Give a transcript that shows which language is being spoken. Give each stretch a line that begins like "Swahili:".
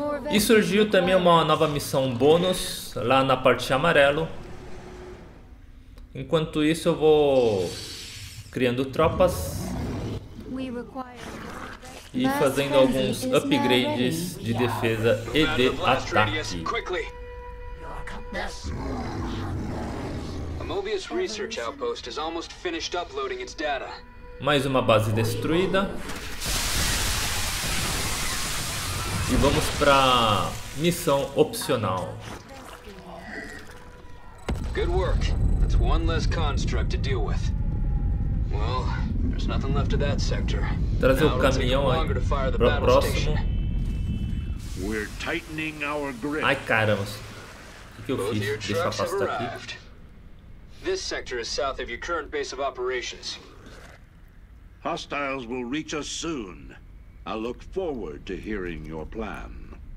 Portuguese: E surgiu também uma nova missão bônus lá na parte amarelo. Enquanto isso eu vou criando tropas e fazendo alguns upgrades de defesa e de ataque.
English: A Mobius Research Outpost has almost finished uploading its data.
Portuguese: Mais uma base destruída. E vamos para missão opcional.
English: Good work. That's one less construct to deal with. Well, there There's nothing left of that sector.
Portuguese: Trazer o caminhão aí pro próximo.
English: We're tightening our grip.
Portuguese: Ai, caramba. O que eu fiz? Deixa eu passar aqui.
English: This sector is south of your current base of operations. Hostiles will reach us soon. I look forward to hearing your plan.